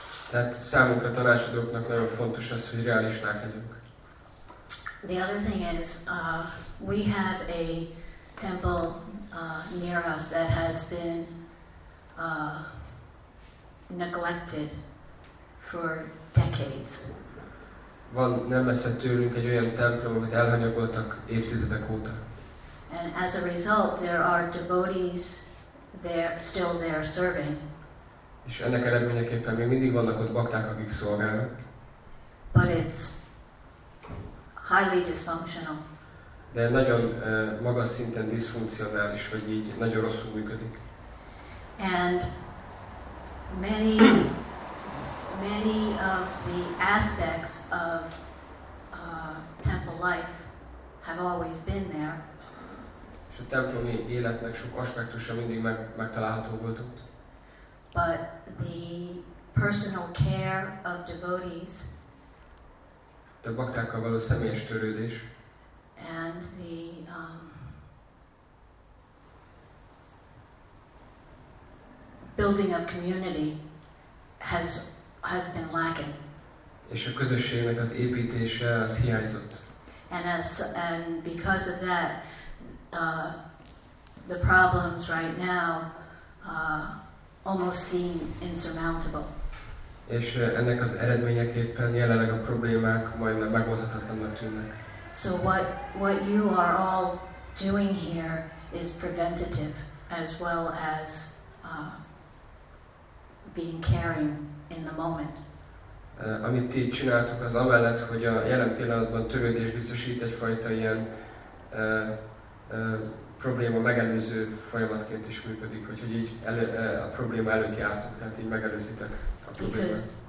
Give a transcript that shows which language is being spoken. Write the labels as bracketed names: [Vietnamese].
[Hungarian] Tehát számunkra tanácsadóknak nagyon fontos az, hogy realisták legyünk. [English] The other thing is, we have a temple near us that has been neglected for decades. [Hungarian] Van nem messze tőlünk egy olyan templom, amit elhanyagoltak évtizedek óta. [English] And as a result, there are devotees there still there serving. [Hungarian] És ennek eredményeképpen még mindig vannak ott bakták, akik szolgálnak. [English] But it's highly dysfunctional. [Hungarian] De nagyon magas szinten diszfunkcionális, hogy így nagyon rosszul működik. [English] And many many of the aspects of temple life have always been there. [Hungarian] És a templomi életnek sok aspektusa mindig megtalálható volt ott. [English] But the personal care of devotees. [Hungarian] De a baktákkal való személyes törődés. [English] And the building of community has been lacking. [Hungarian] És a közösségnek az építése az hiányzott. [English] And because of that, the problems right now almost seem insurmountable. [Hungarian] És ennek az eredményeképpen jelenleg a problémák majdnem megoldhatatlannak tűnnek. [English] So what you are all doing here is preventative as well as being caring in the moment. [Hungarian] Amit ti csináltok, az amellett, hogy a jelen pillanatban törődés biztosít egyfajta ilyen probléma megelőző folyamatként is működik, hogy így a probléma előtt jártok, tehát így megelőzitek a problémát.